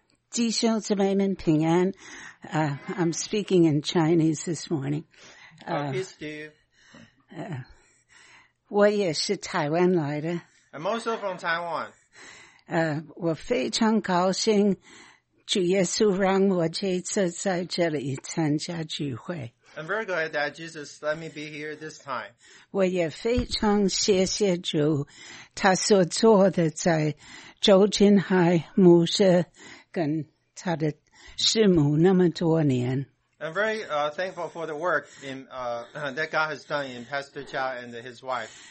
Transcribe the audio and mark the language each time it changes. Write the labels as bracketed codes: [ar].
[zh] 弟兄姊妹们平安, [en] I'm speaking in Chinese this morning. Peace to you. [zh] 我也是台湾来的。 [en] I'm also from Taiwan. [zh] 我非常高兴主耶稣让我这次在这里参加聚会。 [en] I'm very glad that Jesus let me be here this time. [zh] 我也非常谢谢主他所做的在周金海牧师跟 [en] I'm very thankful for the work in, that God has done in Pastor Chia and his wife.